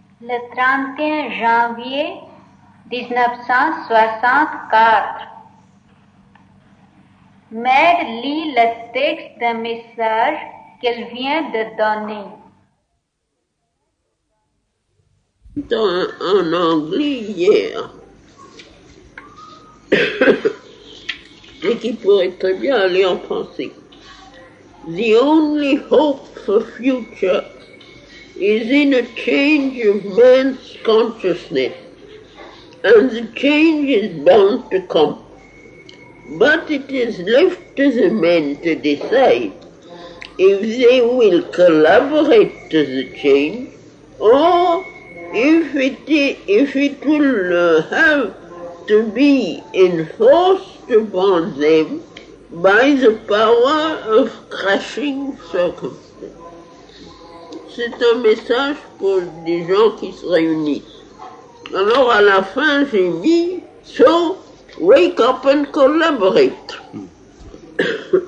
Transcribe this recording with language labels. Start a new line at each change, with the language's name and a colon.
French: Le 31 janvier 1964, Mère lit le texte d'un message qu'elle vient de donner. Dans un anglais hier, et qui pourrait très bien aller en français.
English: The only hope for future is in a change of man's consciousness, and the change is bound to come. But it is left to the men to decide if they will collaborate to the change, or if it will have to be enforced upon them by the power of crushing circumstances.
French: C'est un message pour des gens qui se réunissent. Alors à la fin, j'ai mis «
English: So, wake up and collaborate ».